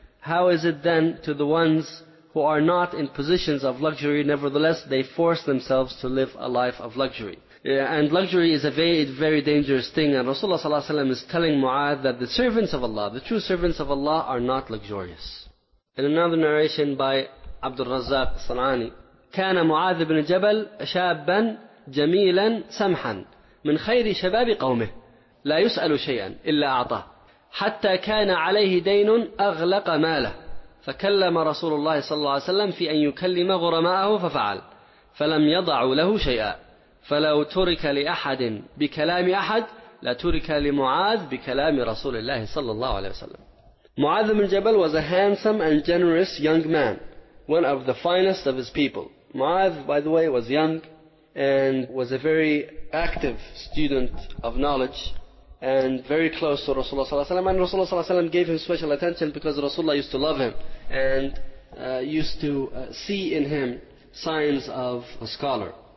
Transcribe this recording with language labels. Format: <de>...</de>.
<en>How is it then to the ones who are not in positions of luxury, nevertheless they force themselves to live a life of luxury? Yeah, and luxury is a very, very dangerous thing. And Rasulullah ﷺ is telling Mu'adh that the servants of Allah, the true servants of Allah, are not luxurious. In another narration by Abdul Razzaq Sanani,</en> <ar>كان معاذ بن جبل شابا جميلا سمحا من خير شباب قومه لا يسأل شيئا إلا أعطاه حتى كان عليه دين أغلق ماله فكلم رسول الله صلى الله عليه وسلم في أن يكلم غرماءه ففعل فلم يضع له شيئا فلو ترك لأحد بكلام أحد لترك لمعاذ بكلام رسول الله صلى الله عليه وسلم.</ar> <en>Mu'adh ibn Jabal was a handsome and generous young man, one of the finest of his people. Mu'adh, by the way, was young and was a very active student of knowledge and very close to Rasulullah صلى الله عليه وسلم. And Rasulullah صلى الله عليه وسلم gave him special attention because Rasulullah used to love him and used to see in him signs of a scholar.</en>